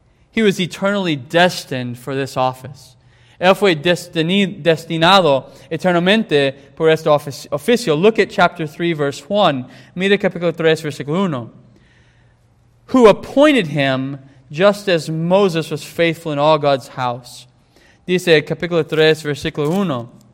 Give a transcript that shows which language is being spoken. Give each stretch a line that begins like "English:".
English: He was eternally destined for this office.
Spanish: Él fue destinado eternamente por este oficio.
English: Look at chapter 3, verse 1.
Spanish: Mira capítulo 3, versículo 1.
English: Who appointed him just as Moses was faithful in all God's house.
Spanish: Dice capítulo 3, versículo 1.